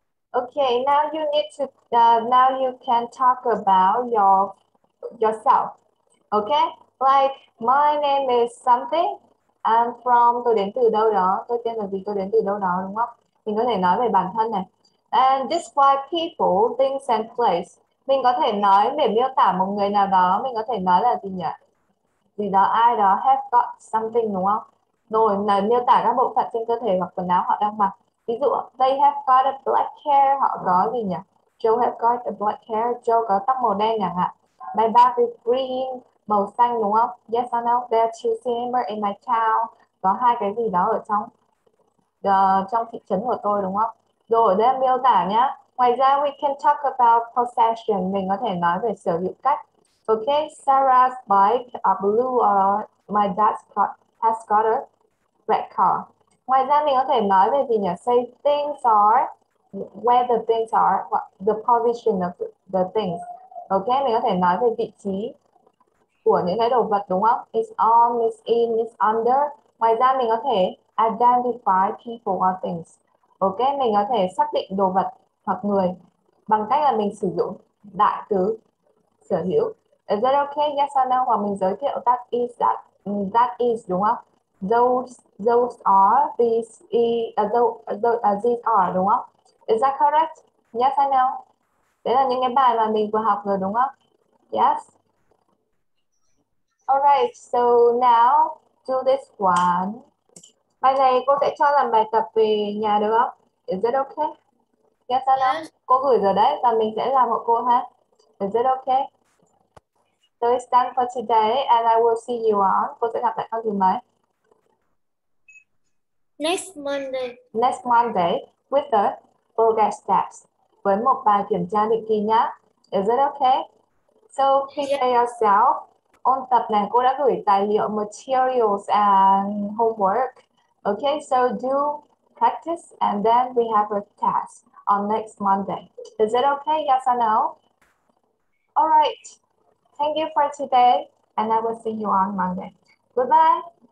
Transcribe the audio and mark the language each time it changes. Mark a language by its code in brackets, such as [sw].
[en] Okay, now you need to, now you can talk about yourself. Okay, like my name is something, I'm from, [vi] tôi đến từ đâu đó, tôi tên là gì, tôi đến từ đâu đó, đúng không? Mình có thể nói về bản thân này. [en] And describe people, things and place. [vi] Mình có thể nói để miêu tả một người nào đó, mình có thể nói là gì nhỉ? Gì đó, ai đó, [en] have got something, [vi] đúng không? Rồi, là miêu tả các bộ phận trên cơ thể hoặc quần áo họ đang mặc. Ví dụ, [en] they have got a black hair, [vi] họ có gì nhỉ? [en] Joe have got a black hair, [vi] Joe có tóc màu đen chẳng hạn. [en] My bag is green, [vi] màu xanh đúng không? [en] Yes or no? There are two cinema in my town. [vi] Có hai cái gì đó ở trong thị trấn của tôi đúng không? Rồi, đây miêu tả nhé. Ngoài ra, [en] we can talk about possession. [vi] Mình có thể nói về sở hữu cách. [en] Okay, Sarah's bike are blue or my dad's car has got a red car. [vi] Ngoài ra, mình có thể nói về gì nhỉ? [en] Say things are where the things are, the position of the things. [vi] Ok, mình có thể nói về vị trí của những cái đồ vật đúng không? [en] It's on, it's in, it's under. [vi] Ngoài ra mình có thể [en] identify people or things. [vi] Ok, mình có thể xác định đồ vật hoặc người bằng cách là mình sử dụng đại từ sở hữu. [en] Is that ok? Yes or no? [vi] Hoặc mình giới thiệu [en] that is, that is [vi] đúng không? [en] Those are, these are, đúng không? Is that correct? Yes, I know. [vi] Đấy là những cái bài mà mình vừa học rồi đúng không? [en] Yes. All right, so now do this one. [vi] Bài này cô sẽ cho làm bài tập về nhà được không? [en] Is it okay? Yes, I know. [vi] Cô gửi rồi đấy và mình sẽ làm hộ cô ha. [en] Is it okay? So it's done for today and I will see you on. [vi] Cô sẽ gặp lại con thứ mấy? [en] Next Monday. Next Monday with the progress test. [vi] Với một bài kiểm tra định kỳ nhá. [en] Is it okay? So prepare yourself. [vi] Ôn tập này cô đã gửi tài liệu, [en] materials and homework. Okay, so do practice and then we have a test on next Monday. Is it okay? Yes or no? All right. Thank you for today and I will see you on Monday. Goodbye.